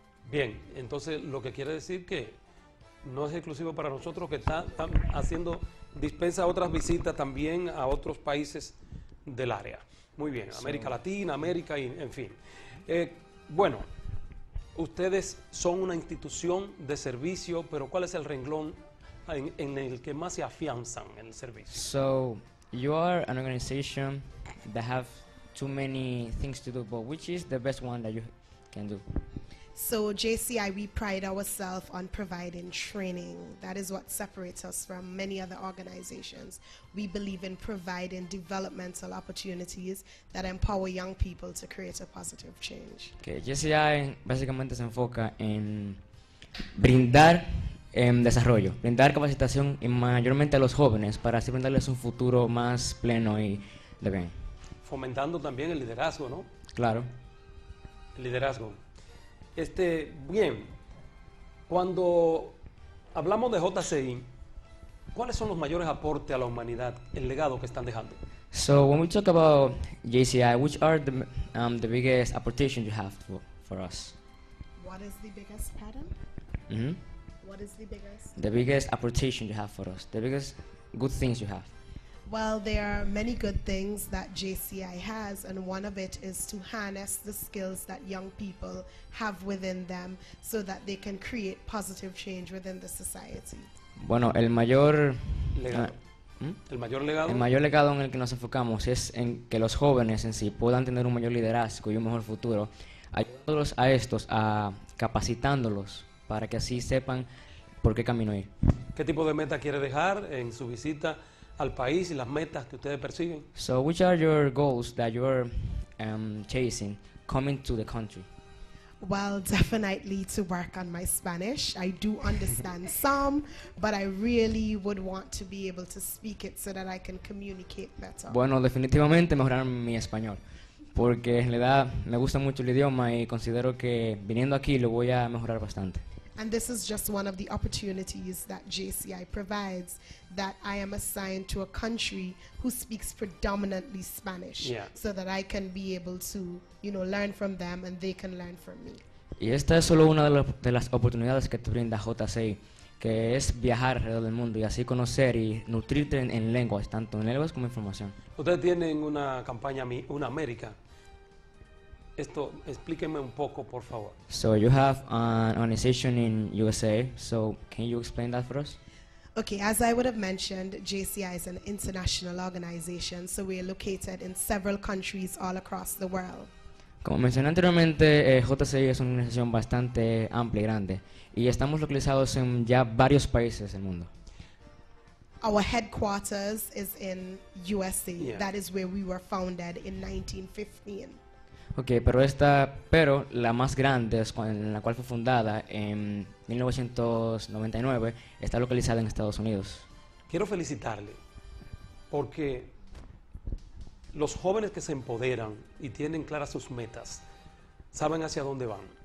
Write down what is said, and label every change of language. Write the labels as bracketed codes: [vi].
[es] Bien, entonces lo que quiere decir que no es exclusivo para nosotros, que está haciendo dispensa otras visitas también a otros países del área. Muy bien, América Latina, América, en fin. Bueno, ustedes son una institución de servicio, pero ¿cuál es el renglón en el que más se afianzan en el servicio? [en] So, you are an organization that have too many things to do, but which is the best one that you can do? So JCI, we pride ourselves on providing training. That is what separates us from many other organizations. We believe in providing developmental opportunities that empower young people to create a positive change. [es] Okay, JCI básicamente se enfoca en brindar desarrollo, brindar capacitación y mayormente a los jóvenes para así brindarles un futuro más pleno y de bien. Fomentando también el liderazgo, ¿no? Claro. El liderazgo. Bien, cuando hablamos de JCI, ¿cuáles son los mayores aportes a la humanidad, el legado que están dejando? [en] So, when we talk about JCI, which are the biggest aportation you have for us? What is the biggest pattern? Mm-hmm. What is the biggest? The biggest opportunity you have for us, the biggest good things you have. Well, there are many good things that JCI has, and one of it is to harness the skills that young people have within them so that they can create positive change within the society. [es] Bueno, el mayor legado. El mayor legado en el que nos enfocamos es en que los jóvenes en sí puedan tener un mayor liderazgo y un mejor futuro, ayudándolos a estos, a capacitándolos, para que así sepan por qué camino ir. ¿Qué tipo de meta quiere dejar en su visita al país y las metas que ustedes persiguen? [en] So, which are your goals that you're chasing coming to the country? Well, definitely to work on my Spanish. I do understand some, but I really would want to be able to speak it so that I can communicate better. [es] Bueno, definitivamente mejorar mi español, porque en realidad me gusta mucho el idioma y considero que viniendo aquí lo voy a mejorar bastante. [en] And this is just one of the opportunities that JCI provides, that I am assigned to a country who speaks predominantly Spanish, yeah, so that I can be able to, you know, learn from them and they can learn from me. [es] Y esta es solo una de las oportunidades que te brinda JCI, que es viajar alrededor del mundo y así conocer y nutrirte en lenguas, tanto en lenguas como información. Ustedes tienen una campaña, una América. Esto, explíqueme un poco, por favor. [en] So you have an organization in USA, so can you explain that for us? Okay, as I would have mentioned, JCI is an international organization, so we are located in several countries all across the world. [es] Como mencioné anteriormente, JCI es una organización bastante amplia y grande, y estamos localizados en ya varios países del mundo. [en] Our headquarters is in USA. Yeah. That is where we were founded in 1915. [es] Okay, pero esta, pero la más grande, es con, en la cual fue fundada en 1999, está localizada en Estados Unidos. Quiero felicitarle porque los jóvenes que se empoderan y tienen claras sus metas saben hacia dónde van.